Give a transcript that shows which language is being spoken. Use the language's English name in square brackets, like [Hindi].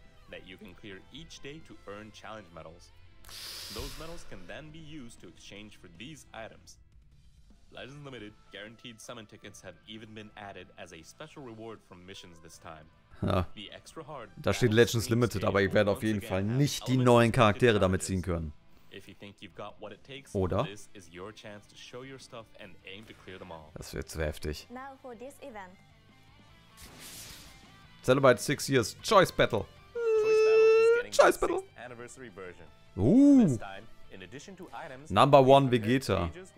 [English] That you can clear each day to earn challenge medals. Those medals can then be used to exchange for these items. Legends Limited guaranteed summon tickets have even been added as a special reward from missions this time. The extra hard. [German] Da steht Legends Limited, aber ich werde auf jeden Fall nicht die neuen Charaktere damit ziehen können. [English] If you think you've got what it takes, [German] oder? [English] This is your chance to show your stuff and aim to clear them all. [German] Das wird zu heftig. [English] Now for this event. Celebrate 6 years Choice Battle. Choice Battle is getting the 6th anniversary version. This time, in addition to items, number 1 Vegeta.